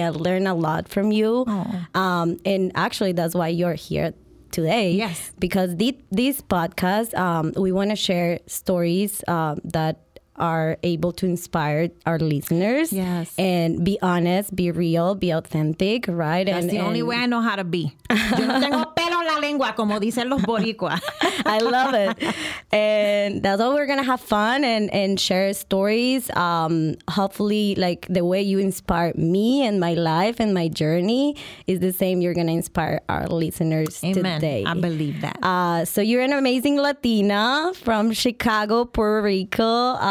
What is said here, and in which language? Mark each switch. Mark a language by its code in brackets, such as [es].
[en] I learned a lot from you. Aww. And actually that's why you're here today. Yes. Because this podcast, we want to share stories that are able to inspire our listeners. Yes. And be honest, be real, be authentic, right? That's the only way I know how to be. [es] Yo no tengo pelo en la lengua, como dicen los boricua. [en] I love it. And that's all. We're gonna have fun and share stories. Hopefully, like, the way you inspire me and my life and my journey is the same you're gonna inspire our listeners. Amen. Today. I believe that. So you're an amazing Latina from Chicago, Puerto Rico.